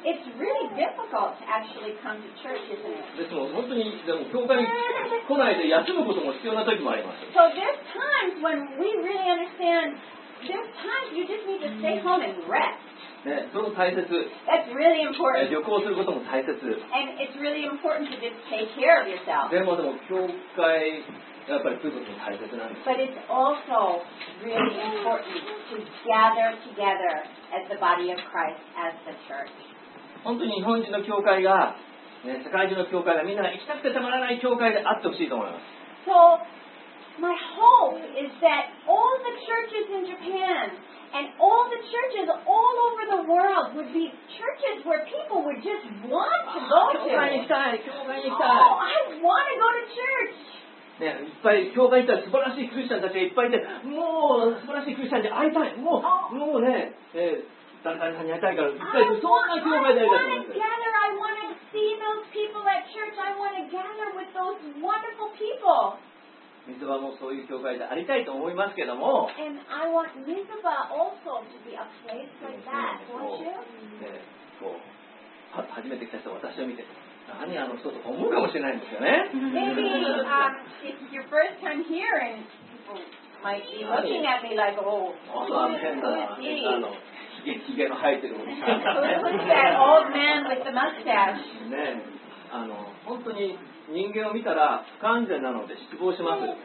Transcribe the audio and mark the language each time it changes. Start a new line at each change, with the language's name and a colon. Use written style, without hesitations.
English: It's really difficult to actually come to church, isn't it?
Japanese: ですも本当にでも教会に来ないで休むことも必要な時もあります。
English: So there's times when we really understand, there's times you just need to stay home and rest.
Japanese: ね、それも大切。
English: That's really important.
Japanese: 旅行することも大切。
English: And it's really important to just take care of yourself.
Japanese: でも教会やっぱり来ることも大切なんです。
English: But it's also really important to gather together as the body of Christ, as the church.
Japanese: 本当に日本人の教会が、ね、世界中の教会がみんなが行きたくてたまらない教会であってほしいと思います。
English: So my hope is that all the churches in Japan. And all the churches all over the world would be churches where people would just want to go to.
Japanese: 教会に行きたい、教会に行きたい。
English: Oh, I want to go to church.
Japanese: ね、いっぱい教会に行ったら素晴らしいクリスチャンたちがいっぱいいて、もう素晴らしいクリスチャンに会いたい。もう、oh. もうね、誰々さんに会いたいから、いっぱいそんな教会で会いたい。
English: I want to gather. I want to see those people at church. I want to gather with those wonderful people.
Japanese: 水場もそういう教会でありたいと思いますけども。
English: And I want Mizuba also to be a place like that, won't you?
Japanese: で、こう、パッと初めて来た人は私を見て、何あの人とか思うかもしれないんですよね。
English: Maybe it's your first time here and people might be looking at me like, oh, who is he?
Japanese: ひげの生えてるおじさん。
English: Who's that old man with the mustache?
Japanese: ね、あの、本当に。人間を見たら不完全なので失望します。